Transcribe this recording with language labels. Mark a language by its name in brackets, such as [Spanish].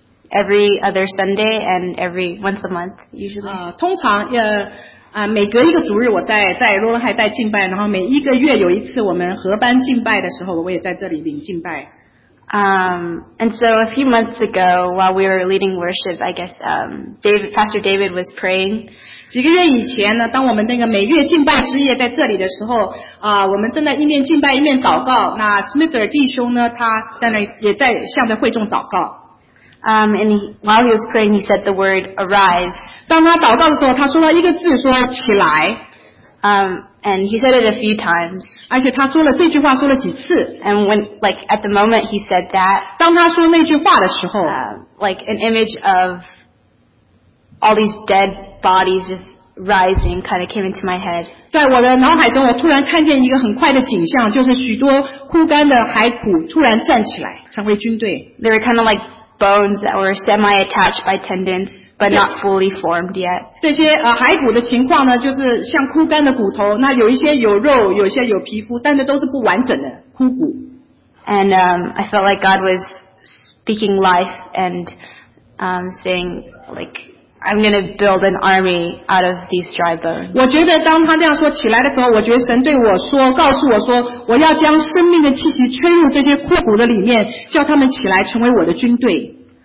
[English] Every other Sunday and every once a month, usually. [Chinese] 通常每隔一个主日我在罗伦海带敬拜，然后每一个月有一次我们合班敬拜的时候，我也在这里领敬拜。 [English] And so a few months ago, while we were leading worship, I guess Pastor David was praying. [Chinese] 几个月以前呢，当我们那个每月敬拜之夜在这里的时候，我们正在一面敬拜一面祷告。那 Smither 弟兄呢，他在那也在向着会众祷告。 [English] And while he was praying, he said the word "arise." [Chinese] 当他祷告的时候，他说了一个字，说起来。 [English] And he said it a few times. [Chinese] 而且他说了这句话说了几次。 [English] And when, like, at the moment he said that. [Chinese] 当他说那句话的时候。 [English] Like an image of all these dead bodies just rising kind of came into my head. [Chinese] 在我的脑海中，我突然看见一个很快的景象，就是许多枯干的骸骨突然站起来，成为军队。 [English] They were kind of like bones that were semi-attached by tendons, but not fully formed yet. [Chinese] 这些骸骨的情况呢，就是像枯干的骨头。那有一些有肉，有些有皮肤，但是都是不完整的枯骨。 [English] And I felt like God was speaking life and saying like I'm going to build an army out of these dry bones. [Chinese] 我觉得当他这样说起来的时候，我觉得神对我说，告诉我说，我要将生命的气息吹入这些枯骨的里面，叫他们起来成为我的军队。